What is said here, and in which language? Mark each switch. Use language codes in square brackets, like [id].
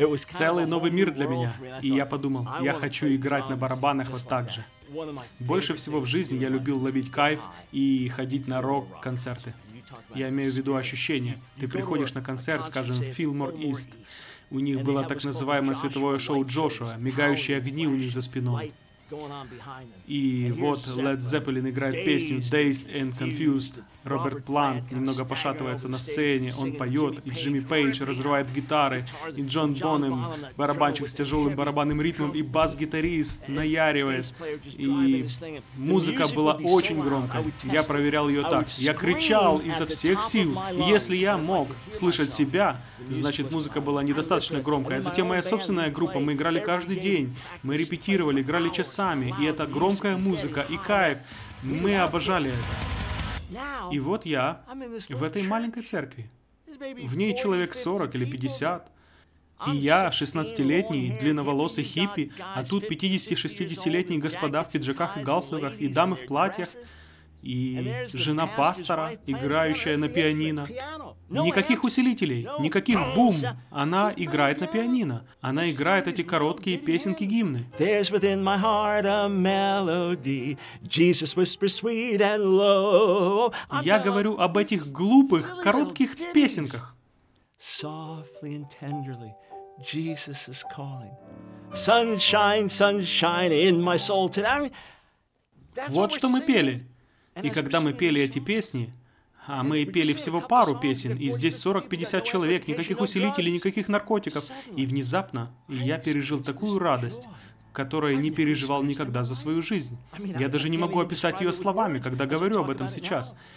[ru] Целый новый мир для меня, и я подумал, я хочу играть на барабанах вот так же. Больше всего в жизни я любил ловить кайф и ходить на рок-концерты. Я имею в виду ощущения. Ты приходишь на концерт, скажем, в Филмор Ист. У них было так называемое световое шоу Джошуа, мигающие огни у них за спиной. И вот Led Zeppelin играет песню Dazed and Confused. Роберт Плант немного пошатывается на сцене, он поет, и Джимми Пейдж разрывает гитары, и Джон Бонем, барабанщик с тяжелым барабанным ритмом, и бас-гитарист наяривает, и музыка была очень громкой. Я проверял ее так. Я кричал изо всех сил. И если я мог слышать себя, значит, музыка была недостаточно громкая. Затем моя собственная группа, мы играли каждый день, мы репетировали, играли часами, и это громкая музыка, и кайф. Мы обожали это. И вот я в этой маленькой церкви. В ней человек 40 или 50. И я, 16-летний, длинноволосый хиппи, а тут 50-60-летние господа в пиджаках и галстуках, и дамы в платьях, и жена пастора, играющая на пианино. Никаких усилителей, никаких бум. Она играет на пианино. Она играет эти короткие песенки-гимны. [en] There's within my heart a melody. Jesus whispers sweet and low. [ru] Я говорю об этих глупых, коротких песенках. [en] Softly and tenderly, Jesus is calling. Sunshine, sunshine in my soul today. [ru] Вот что мы пели. И когда мы пели эти песни, а мы пели всего пару песен, и здесь 40-50 человек, никаких усилителей, никаких наркотиков, и внезапно я пережил такую радость, которую не переживал никогда за свою жизнь. Я даже не могу описать ее словами, когда говорю об этом сейчас.